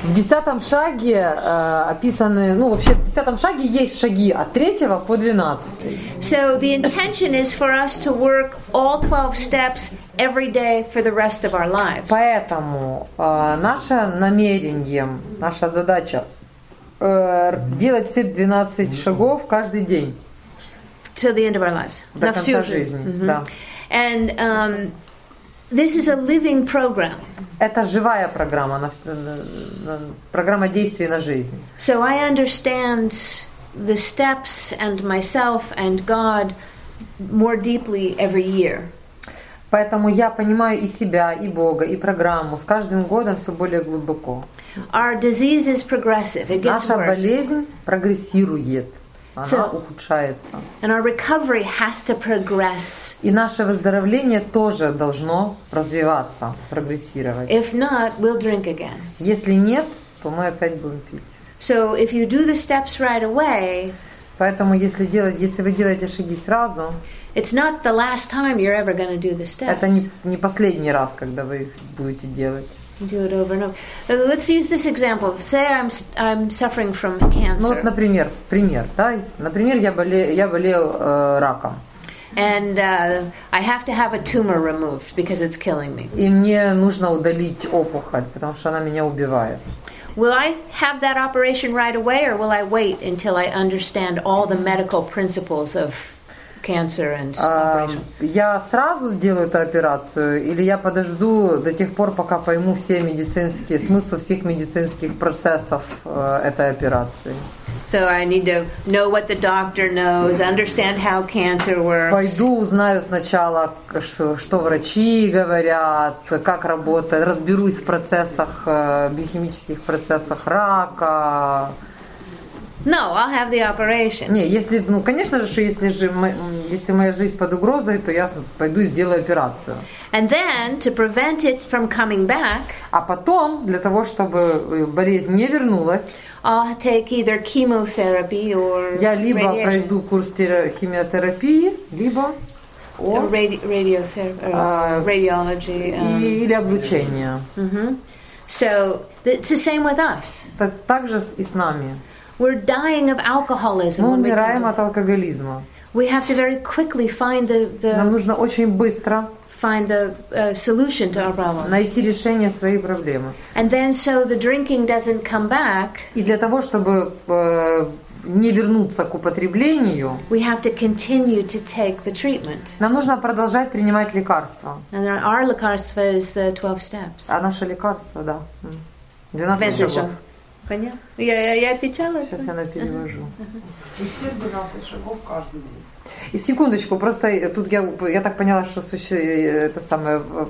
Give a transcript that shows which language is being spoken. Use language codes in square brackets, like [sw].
[ru] В 10-м шаге описаны, ну, вообще в 10-м шаге есть шаги от 3 по 12. [en] So the intention is for us to work all 12 steps every day for the rest of our lives. [ru] Поэтому наше намерение, наша задача делать все 12 шагов каждый день. [en] Till the end of our lives. [ru] До конца жизни. Да. [en] And this is a living program. [ru] Это живая программа, программа действий на жизнь. [en] So I understand the steps and myself and God more deeply every year. [ru] Поэтому я понимаю и себя, и Бога, и программу с каждым годом все более глубоко. [en] Our disease is progressive. It gets [ru] наша [en] worse. [ru] Болезнь прогрессирует, она so, ухудшается. [en] And our recovery has to progress. [ru] И наше выздоровление тоже должно развиваться, прогрессировать. [en] If not, we'll drink again. [ru] Если нет, то мы опять будем пить. [en] So if you do the steps right away, [ru] поэтому если вы делаете шаги сразу, [en] it's not the last time you're ever going to do the steps. [ru] Это не последний раз, когда вы их будете делать. [en] Do it over and over. Let's use this example. Say I'm suffering from cancer. [ru] Ну вот, например, да? Например, я болею раком. [en] And I have to have a tumor removed because it's killing me. [ru] И мне нужно удалить опухоль, потому что она меня убивает. [en] Will I have that operation right away, or will I wait until I understand all the medical principles of cancer and [ru] я сразу сделаю эту операцию или я подожду до тех пор, пока пойму все медицинские смысл всех медицинских процессов этой операции. [en] So I need to know what the doctor knows, understand how cancer works. [ru] Пойду, узнаю сначала, что врачи говорят, как работает, разберусь в процессах, биохимических процессах рака. [en] No, I'll have the operation. [ru] Не, если, ну, конечно же, если моя жизнь под угрозой, то я пойду и сделаю операцию. [en] And then to prevent it from coming back. [ru] А потом для того, чтобы болезнь не вернулась. [en] I'll take either chemotherapy or [ru] я либо [en] radiation. [ru] Пройду курс химиотерапии, либо [en] radiology. [ru] Или облучение. [en] Mm-hmm. So it's the same with us. [ru] Так же и с нами. [en] We're dying of alcoholism. [ru] Мы умираем от алкоголизма. [en] We have to very quickly find the [ru] нам нужно очень быстро [en] find the solution to our problem. [ru] Найти решение своей проблемы. [en] And then so the drinking doesn't come back. [ru] И для того, чтобы не вернуться к употреблению, [en] we have to continue to take the treatment. [ru] Нам нужно продолжать принимать лекарства. [en] And our lekarstvo is the 12 steps. [ru] А наше лекарство, да. 12 шагов. Я печала. Сейчас я наперевожу. И все 12 шагов каждый день. И секундочку, просто тут я так поняла, что это самое